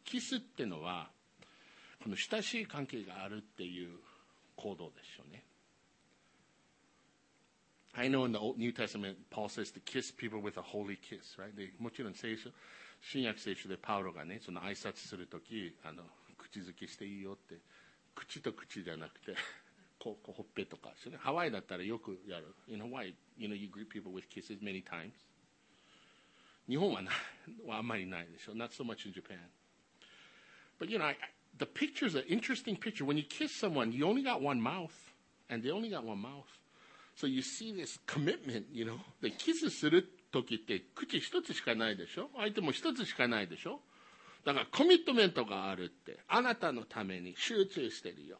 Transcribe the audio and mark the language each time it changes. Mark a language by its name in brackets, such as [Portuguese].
[Japanese] キスってのはこの親しい関係があるっていう行動ですよね。 [English] I know in the Old New Testament, Paul says to kiss people with a holy kiss, right? [Japanese] They, もちろん聖書、新約聖書でパウロがね、その挨拶するとき、口づけしていいよって、口と口じゃなくて、こうほっぺとか、ね、ハワイだったらよくやる。 [English] In Hawaii, you know, you greet people with kisses many times. [Japanese] 日本はな、はあんまりないでしょ。 [English] Not so much in Japan. But you know, the picture is an interesting picture. When you kiss someone, you only got one mouth. And they only got one mouth. So you see this commitment, you know. [Japanese] で、キスするときって口一つしかないでしょ。相手も一つしかないでしょ。だからコミットメントがあるって。あなたのために集中してるよ。